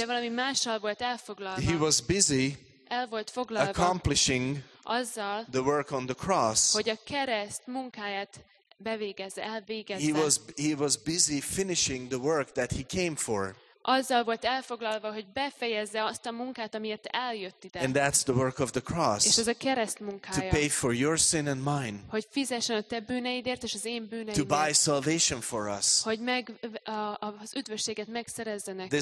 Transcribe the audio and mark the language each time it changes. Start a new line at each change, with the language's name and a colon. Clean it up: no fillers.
Hungarian: De valami mással volt elfoglalva.
English: He was busy
Hungarian: el volt foglalva
English: accomplishing
Hungarian: azzal
English: the work on the cross,
Hungarian: hogy a kereszt munkáját bevégezte, elvégezte.
English: He was busy finishing the work that he came for.
Hungarian: Azzal volt elfoglalva, hogy befejezze azt a munkát, amiért eljött ide.
English: And that's the work of the cross.
Hungarian: És ez a kereszt munkája.
English: To pay for your sin and mine.
Hungarian: Hogy fizessen a te bűneidért és az én bűneimért.
English: To buy salvation for us.
Hungarian: Hogy meg az üdvösséget megszerezze nekünk.